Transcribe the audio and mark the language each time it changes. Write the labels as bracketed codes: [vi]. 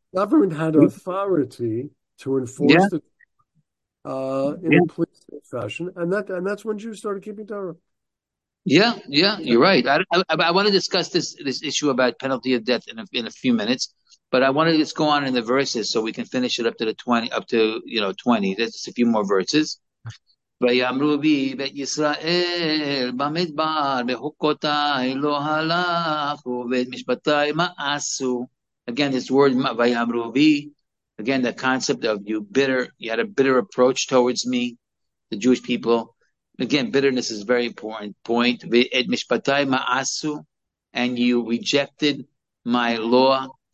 [en] The government had authority to enforce it in a police fashion, and that's when Jews started keeping Torah. Yeah, you're right. I want to discuss this issue about penalty of death in a few minutes, but I want to just go on in the verses so we can finish it up to the 20, up to, 20. There's just a few more verses. [he] ויאמרו בי בית ישראל במדבר בחוקותיי לא הלכו ואת משפטיי מעשו. [en] Again, this word [he] ויאמרו בי, [en] again, the concept of you had a bitter approach towards me, the Jewish people. Again, bitterness is a very important point. [he] ואת משפטיי מעשו, [en] and you rejected my law.